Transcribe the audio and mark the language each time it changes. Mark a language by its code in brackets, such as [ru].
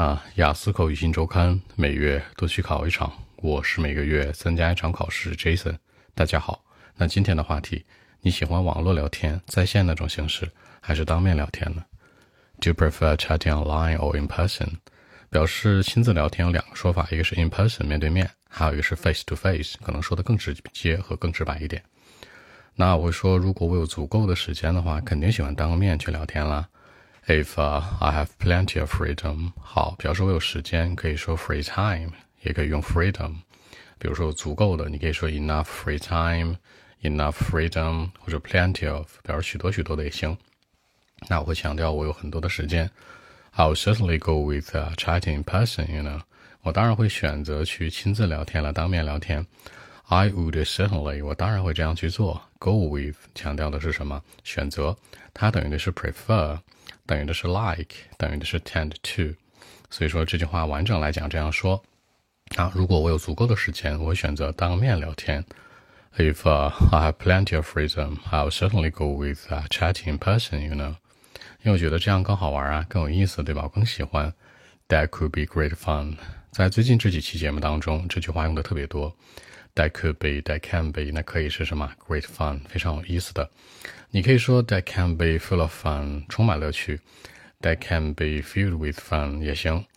[zh] 啊，雅思口语新周刊每月都去考一场，我是每个月参加一场考试 Jason。大家好，那今天的话题，你喜欢网络聊天在线那种形式还是当面聊天呢？ [en] Do you prefer chatting online or in person? [zh] 表示亲自聊天有两个说法，一个是 in person 面对面，还有一个是 face to face，可能说的更直接和更直白一点。那我会说，如果我有足够的时间的话，肯定喜欢当面去聊天啦。 If I have plenty of freedom，好，比如说我有时间，可以说 free time，也可以用 freedom。比如说足够的，你可以说 enough free time， enough freedom，或者 plenty of，比如许多许多的也行。那我会强调我有很多的时间。 [en] I'll certainly go with chatting in person， you know，我当然会选择去亲自聊天了，当面聊天。 [zh] I would certainly，我当然会这样去做。 Go with 强调的是什么？选择，它等于的是 prefer。等于的是 like， 等于的是 tend to， 所以说这句话完整来讲这样说，啊，如果我有足够的时间，我选择当面聊天。 [en] If I have plenty of freedom, I'll certainly go with chatting in person, you know. [zh] 因为我觉得这样更好玩啊，更有意思，对吧？我更喜欢。 [en] That could be great fun. [zh] 在最近这几期节目当中，这句话用的特别多。 [en] That could be, that can be, 那可以是什么？ Great fun, 非常有意思的。你可以说 that can be full of fun, 充满乐趣。 That can be filled with fun, 也行。